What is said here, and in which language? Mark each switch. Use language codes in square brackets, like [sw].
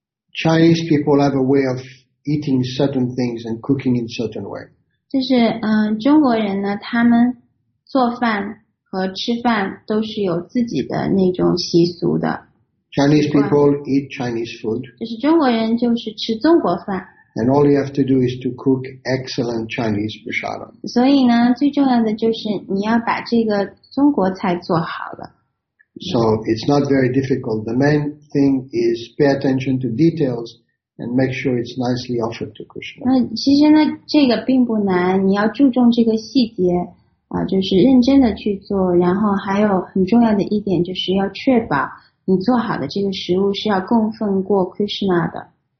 [en] Chinese people have a way of eating certain things and cooking in certain way. [zh] 就是中国人呢，他们做饭和吃饭都是有自己的那种习俗的。 [en] Chinese people eat Chinese food. [zh] 就是中国人就是吃中国饭。 [en] And all you have to do is to cook excellent Chinese prasadam. [zh] 所以呢，最重要的就是你要把这个中国菜做好了。 [en] So it's not very difficult. The main thing is pay attention to details and make sure it's nicely offered to Krishna. [zh] 那其实呢，这个并不难。你要注重这个细节啊，就是认真的去做。然后还有很重要的一点就是要确保你做好的这个食物是要供奉过 Krishna 的。